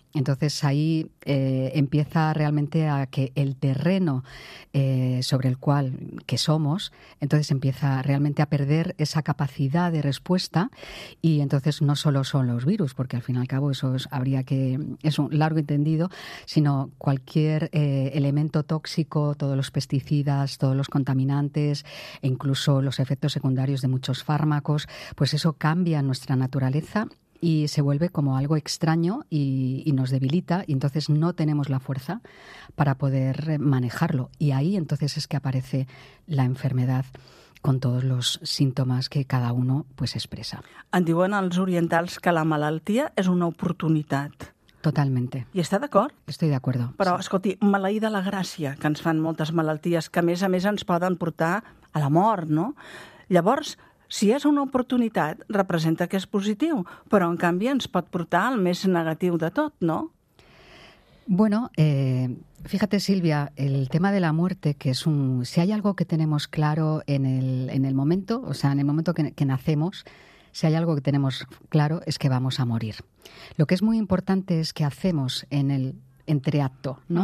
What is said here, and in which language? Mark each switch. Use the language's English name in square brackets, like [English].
[Spanish] Entonces ahí empieza realmente a que el terreno sobre el cual que somos, entonces empieza realmente a perder esa capacidad de respuesta, y entonces no solo son los virus, porque al fin y al cabo eso es un largo entendido, sino cualquier elemento tóxico, todos los pesticidas, todos los contaminantes, e incluso los efectos secundarios de muchos fármacos, pues eso cambia nuestra naturaleza. Y se vuelve como algo extraño y nos debilita, y entonces no tenemos la fuerza para poder manejarlo. Y ahí entonces es que aparece la enfermedad con todos los síntomas que cada uno pues expresa. [Catalan] En diuen els orientals que la malaltia és una oportunitat. [Spanish] Totalmente. [Catalan] I està d'acord? [Spanish] Estoy de acuerdo. [Catalan] Però, escolti, maleïda la gràcia, que ens fan moltes malalties, que a més ens poden portar a la mort, no? Llavors, si és una oportunitat, representa que és positiu, però en canvi ens pot portar al més negatiu de tot, no? [Spanish] Bueno, fíjate, Silvia, el tema de la muerte, que es un... Si hay algo que tenemos claro en el momento, o sea, en el momento que nacemos, si hay algo que tenemos claro es que vamos a morir. Lo que es muy importante es que hacemos en el entreacto, ¿no?